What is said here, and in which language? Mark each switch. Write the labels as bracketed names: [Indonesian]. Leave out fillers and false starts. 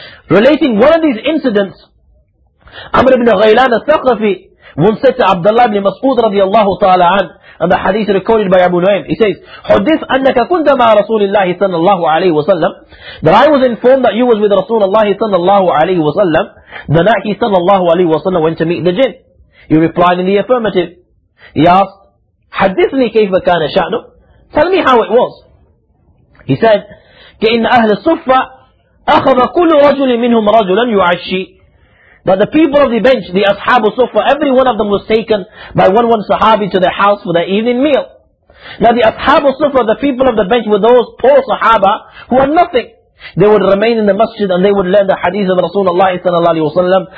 [English] Relating one of these incidents, Amr ibn Ghailan al-Thaqafi once said to Abdullah ibn Mas'ud radiallahu ta'ala an, and the hadith recorded by Abu Nu'aym, he says, [Arabic] حُدِّثْ أَنَّكَ كُنْتَ مَعَ رَسُولِ اللَّهِ صَلَّى اللَّهُ عَلَيْهِ وَسَلَّمْ. [English] That I was informed that you was with Rasulullah صلى الله عليه وسلم the night he صلى الله عليه وسلم went to meet the jinn. He replied in the affirmative. He asked, [Arabic] حَدِّثْنِي كَيْفَ كَانَ شَأْنُ. [English] Tell me how it was. He said, [Arabic] كَإِنَّ أَهْلَ الصُّفَّةِ أَخَذَ كُلُّ رَجُلٍ مِّنْهُمْ رَجُلًا يُعَشِّي. [English] That the people of the bench, the Ashab al-Suffa, every one of them was taken by one Sahabi to their house for their evening meal. Now the Ashab al-Suffa, the people of the bench, were those poor Sahaba who had nothing. They would remain in the masjid and they would learn the hadith of Rasulullah sallallahu alayhi wa sallam.